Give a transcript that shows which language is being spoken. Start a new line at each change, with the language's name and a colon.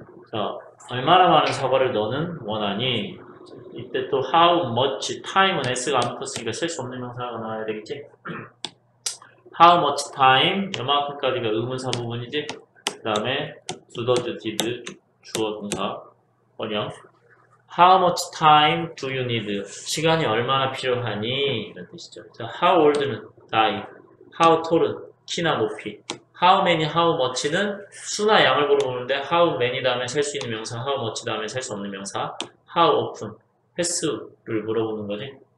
Korean: 자, 얼마나 많은 사과를 너는 원하니? 이때 또 how much time은 s가 안 붙었으니까 셀수 없는 명사가 나와야 되겠지.
English: How much time?
Korean: 이만큼까지가 의문사 부분이지. 그 다음에 do, does, did, 주어, 동사, 원형.
English: How much time do you need?
Korean: 시간이 얼마나 필요하니? 이런 뜻이죠. 자, how old는 나이, how tall은 키나 높이, how many, how much는 수나 양을 물어보는데 how many 다음에 셀수 있는 명사, how much 다음에 셀수 없는 명사, how often 횟수를 물어보는 거지.